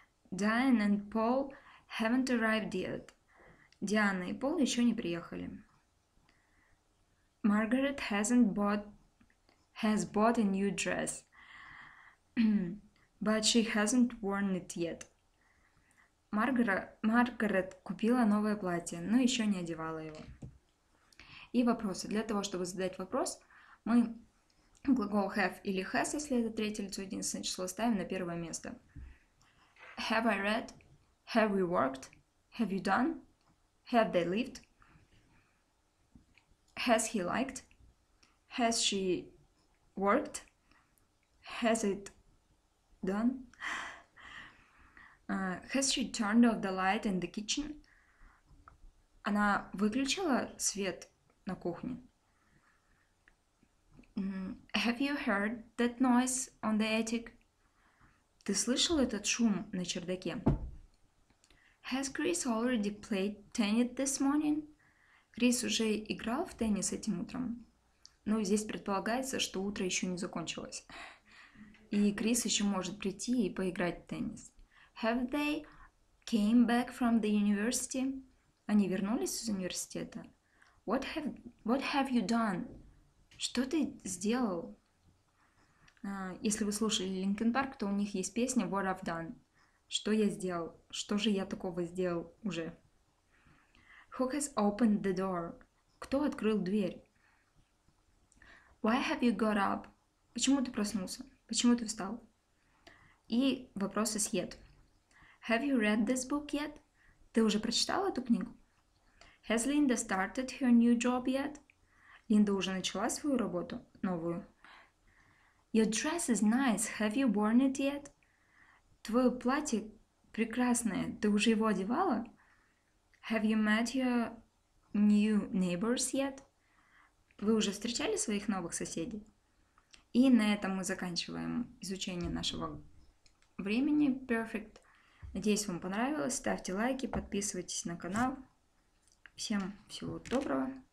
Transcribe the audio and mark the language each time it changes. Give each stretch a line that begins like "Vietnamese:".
English: Diane and Paul haven't arrived yet.
Russian: Диана и Пол еще не приехали.
English: Margaret has bought a new dress. But she hasn't worn it yet.
Russian: Маргарет купила новое платье, но еще не одевала его. И вопросы. Для того, чтобы задать вопрос, мы глагол have или has, если это третье лицо, единственное число, ставим на первое место.
English: Have I read? Have we worked? Have you done? Have they lived? Has he liked? Has she worked? Has it done? Has she turned off the light in the kitchen?
Russian: Она выключила свет на кухне?
English: Have you heard that noise on the attic?
Russian: Ты слышал этот шум на чердаке?
English: Has Chris already played tennis this morning?
Russian: Крис уже играл в теннис этим утром? Ну, здесь предполагается, что утро еще не закончилось. И Крис еще может прийти и поиграть в теннис.
English: Have they came back from the university?
Russian: Они вернулись из университета?
English: What have you done?
Russian: Что ты сделал? Если вы слушали Linkin Park, то у них есть песня What I've Done. Что я сделал? Что же я такого сделал уже?
English: Who has opened the door?
Russian: Кто открыл дверь?
English: Why have you got up?
Russian: Почему ты проснулся? Почему ты встал? И вопросы с yet.
English: Have you read this book yet?
Russian: Ты уже прочитал эту книгу?
English: Has Linda started her new job yet?
Russian: Линда уже начала свою работу новую.
English: Your dress is nice. Have you worn it yet?
Russian: Твое платье прекрасное. Ты уже его одевала?
English: Have you met your new neighbors yet?
Russian: Вы уже встречали своих новых соседей? И на этом мы заканчиваем изучение нашего времени.
English: Perfect.
Russian: Надеюсь, вам понравилось. Ставьте лайки, подписывайтесь на канал. Всем всего доброго.